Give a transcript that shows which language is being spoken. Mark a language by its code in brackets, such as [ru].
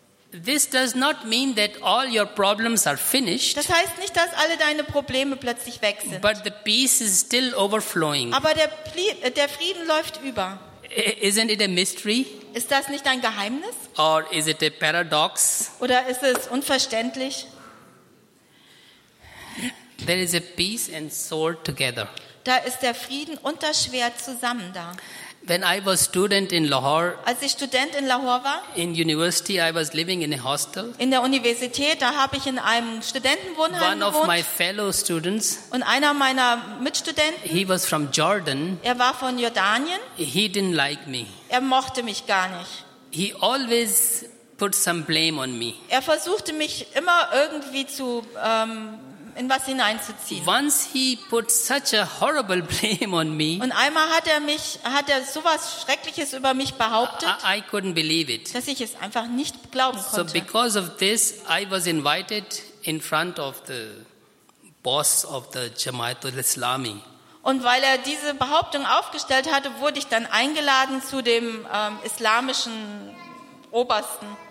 [en] This does not mean that all your problems are finished. [de] Das heißt nicht, dass alle deine Probleme plötzlich weg sind. [en] But the peace is still overflowing. [de] Aber der Frieden läuft über. [en] Isn't it a mystery? [de] Ist das nicht ein Geheimnis? [en] Or is it a paradox? [de] Oder ist es unverständlich? [en] There is a peace and sword together. [de] Da ist der Frieden und das Schwert zusammen da. [en] When I was student in Lahore, [de] als ich Student in Lahore war, [en] in university I was living in a hostel. [de] In der Universität, da habe ich in einem Studentenwohnheim gewohnt. [en] One of my fellow students, [de] und einer meiner Mitstudenten, [en] he was from Jordan. [de] Er war von Jordanien. [en] He didn't like me. [de] Er mochte mich gar nicht. [en] He always put some blame on me. [de] Er versuchte mich immer irgendwie zu in was hineinzuziehen. [en] Once he put such a horrible blame on me. [de] Und einmal hat er sowas Schreckliches über mich behauptet. [en] I couldn't believe it. [de] Dass ich es einfach nicht glauben konnte. [en] So because of this, I was invited in front of the boss of the Jamaatul Islami. [de] Und weil er diese Behauptung aufgestellt hatte, wurde ich dann eingeladen zu dem islamischen Obersten.